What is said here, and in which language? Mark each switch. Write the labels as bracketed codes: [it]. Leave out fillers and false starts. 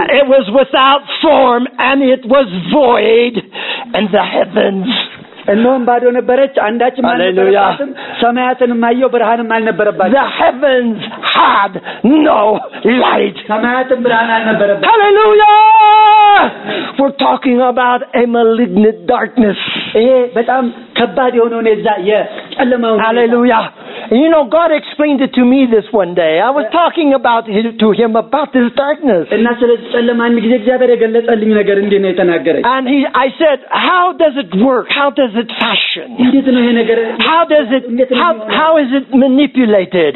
[en] It was without form and it was void and the heavens. [am] እነሆም ባዶ ነበረች አንዳችም አልነበረባትም ሰማያትንም አየሁ ብርሃንም አልነበረባትም [en] The heavens had no light. [am] ሰማያትም ብርሃን አልነበረባትም [en] Hallelujah. We're talking about a malignant darkness. [am] እሄ በጣም ከባድ የሆነ ነው እዛ የጨለማው [en] Hallelujah. And you know, God explained it to me this one day. I was talking about to him about this darkness. And I said, how does it work? How does it fashion? How is it manipulated?